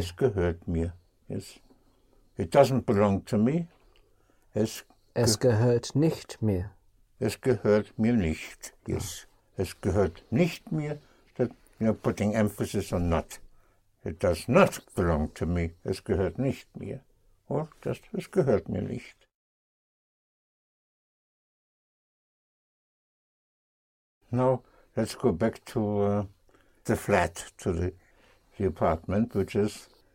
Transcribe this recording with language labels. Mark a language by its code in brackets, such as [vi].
[de] Es gehört mir. [en] Yes. It doesn't belong to me. [de] Es gehört nicht mir. Es gehört mir nicht. Yes. Ah. Es gehört nicht mir. [en] That, you know, putting emphasis on not. It does not belong to me. [de] Es gehört nicht mir. [en] Or just, [de] es gehört mir nicht. [en] Now, let's go back to the flat, to the apartment, which is...